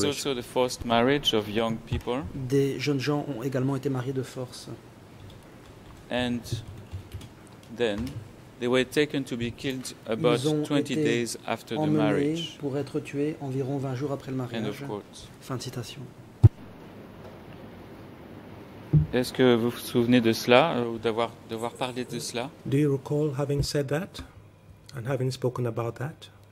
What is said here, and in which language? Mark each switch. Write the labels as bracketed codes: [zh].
[en] Was also the forced marriage of young people. [fr] Des jeunes gens ont également été mariés de force. [en] And then they were taken to be killed about 20 days after the marriage. [fr] Pour être tués environ 20 jours après le mariage. [en] End of quote. [fr] Fin de citation. Est-ce que vous vous souvenez de cela ou d'avoir parlé de cela? [en] Do you recall having said that and having spoken about that?